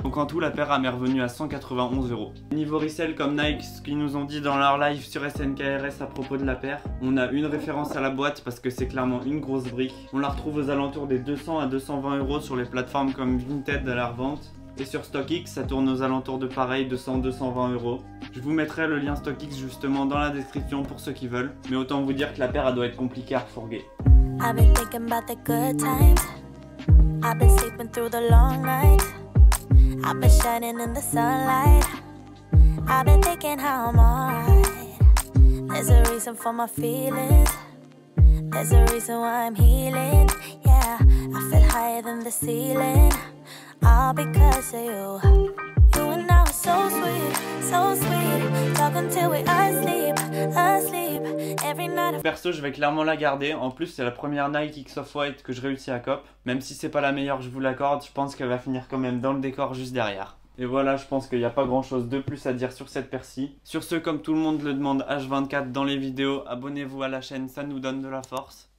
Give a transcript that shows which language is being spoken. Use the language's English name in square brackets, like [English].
[French] Donc en tout, la paire m'est revenue à 191 €. Niveau resell, comme Nike, ce qu'ils nous ont dit dans leur live sur SNKRS à propos de la paire, on a une référence à la boîte parce que c'est clairement une grosse brique. On la retrouve aux alentours des 200 à 220 € sur les plateformes comme Vinted à la revente. Et sur StockX, ça tourne aux alentours de pareil, 200-220 €. Je vous mettrai le lien StockX justement dans la description pour ceux qui veulent. Mais autant vous dire que la paire, elle doit être compliquée à refourguer. [English] I've been thinking about the good times. I've been sleeping through the long night. I've been shining in the sunlight. I've been thinking how I'm alright. There's a reason for my feelings. There's a reason why I'm healing. Yeah, I feel higher than the ceiling. All because of you. You and I were so sweet, so sweet. Talk until we asleep, asleep. [French] Perso, je vais clairement la garder. En plus, c'est la première Nike X Off-White que je réussis à cop. Même si c'est pas la meilleure, je vous l'accorde, je pense qu'elle va finir quand même dans le décor juste derrière. Et voilà, je pense qu'il n'y a pas grand chose de plus à dire sur cette paire-ci. Sur ce, comme tout le monde le demande H24 dans les vidéos, abonnez-vous à la chaîne, ça nous donne de la force.